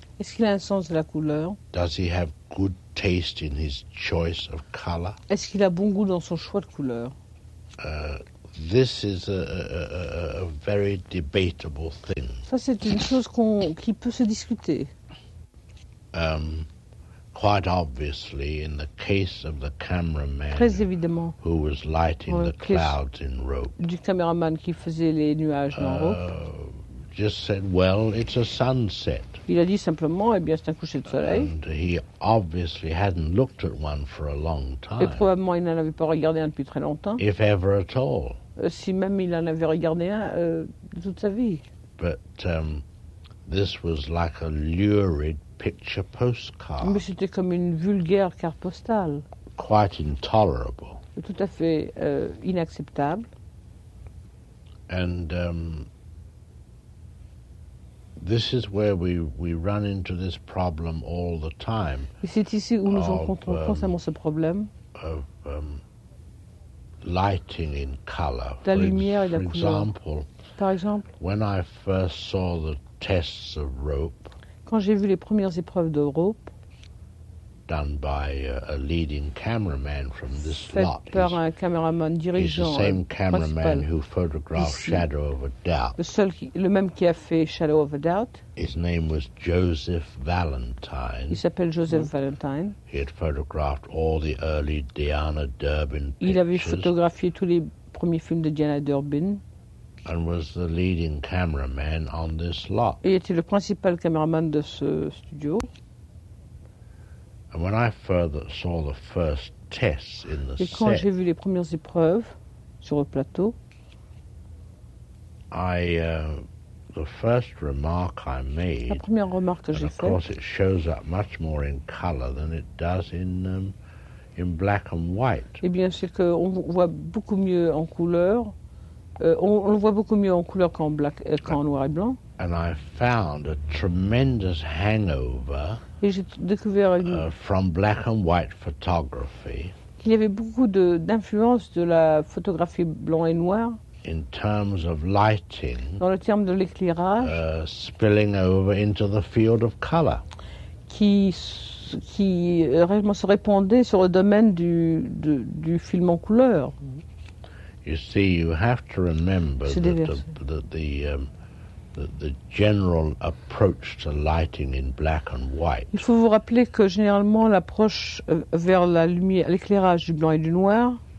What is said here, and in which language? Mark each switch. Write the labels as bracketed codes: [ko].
[fr] Est-ce qu'il a un sens de la couleur? [en] Does he have good taste in his choice of color? [fr] Est-ce qu'il a bon goût dans son choix de couleur? [en] This is a very debatable thing. [fr] Ça, c'est une chose qui peut se discuter. [en] Quite obviously, in the case of the cameraman [fr] très évidemment, [en] who was lighting the clouds in rope. [fr] Du caméraman qui faisait les nuages en rope. [en] Just said, well, it's a sunset. [fr] Il a dit simplement, eh bien, c'est un coucher de soleil. [en] And he obviously hadn't looked at one for a long time. [fr] Et probablement, il n'en avait pas regardé un depuis très longtemps. [en] If ever at all. [fr] Si même il en avait regardé un toute sa vie. [en] But this was like a lurid picture postcard. [fr] Mais c'était comme une vulgaire carte postale. [en] Quite intolerable. [fr] Tout à fait inacceptable. [en] And this is where we run into this problem all the time. [fr] Et c'est ici où nous rencontrons constamment ce problème. [en] Of lighting in color. [fr] La lumière et la couleur. [en] For example, [fr] par exemple, [en] when I first saw the tests of rope, [fr] quand j'ai vu les premières épreuves de rope, [en] done by a leading cameraman from this lot. [fr] Fait par un caméraman dirigeant. [en] He's the same cameraman [fr] principal. [en] Who photographed [fr] ici. [en] Shadow of a Doubt. [fr] Le même qui a fait Shadow of a Doubt. [en] His name was Joseph Valentine. [fr] Il s'appelle Joseph Valentine. [en] He had photographed all the early Diana Durbin pictures. [fr] Il avait photographié tous les premiers films de Diana Durbin. [en] And was the leading cameraman on this lot. [fr] Il était le principal caméraman de ce studio. [en] And when I further saw the first tests in the [fr] set, quand j'ai vu les premières épreuves sur le plateau, [en] the first remark I made, [fr] la première remarque que [en] and [fr] j'ai [en] of course it shows up much more in color than it does in black and white. [fr] Eh bien, c'est qu'on voit beaucoup mieux en couleur On le voit beaucoup mieux en couleur qu'en black, qu'en noir et blanc. [en] And I found a tremendous hangover. [fr] Et j'ai découvert [en] from black and white photography. [fr] Qu'il y avait beaucoup d'influence de la photographie blanc et noir. [en] In terms of lighting. [fr] Dans le terme de l'éclairage. [en] Spilling over into the field of color. [fr] Qui réellement se répandait sur le domaine du film en couleur. [en] You see, you have to remember that the general approach to lighting in black and white. [fr] Il faut vous rappeler que généralement l'approche vers la lumière, l'éclairage du blanc et du noir,